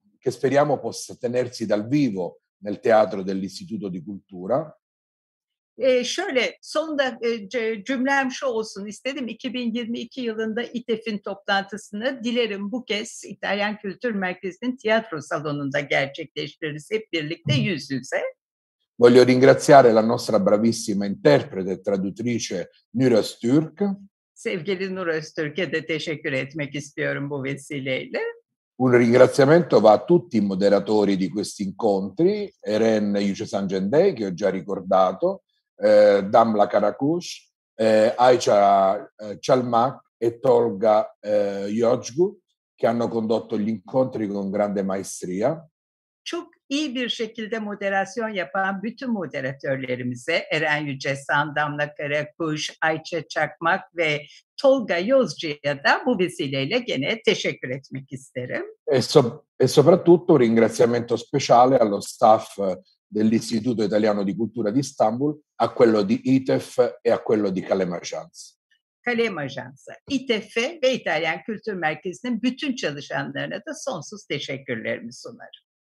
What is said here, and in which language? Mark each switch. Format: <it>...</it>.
<it>che speriamo possa tenersi dal vivo nel teatro dell'Istituto di Cultura.</it> <tr>Şöyle son da cümlem şu olsun istedim. 2022 yılında İTEF'in toplantısını dilerim bu kez İtalyan Kültür Merkezi'nin tiyatro salonunda gerçekleştiririz hep birlikte yüz yüze.</tr> <it>Voglio ringraziare la nostra bravissima interprete traduttrice Nur Öztürk.</it> <tr>Sevgili Nur Öztürk'e de teşekkür etmek istiyorum bu vesileyle.</tr> <it>Un ringraziamento va a tutti i moderatori di questi incontri, Eren Yüce Sancen'dey che ho già ricordato, Damla Karakuş, Ayça Çalmak e Tolga Yocgu che hanno condotto gli incontri con grande maestria.</it> <tr>Çok iyi bir şekilde moderasyon yapan bütün moderatörlerimize Eren Yücesan, Damla Karakuş, Ayça Çakmak ve Tolga Yozcu'ya da bu vesileyle gene teşekkür etmek isterim.</tr> <it>E soprattutto un ringraziamento speciale allo staff dell'Istituto Italiano di Cultura di Istanbul, a quello di ITEF e a quello di Kalem Ajans.</it> <tr>Kalem Ajans, ITEF ve İtalyan Kültür Merkezi'nin bütün çalışanlarına da sonsuz teşekkürlerimi sunarım.</tr>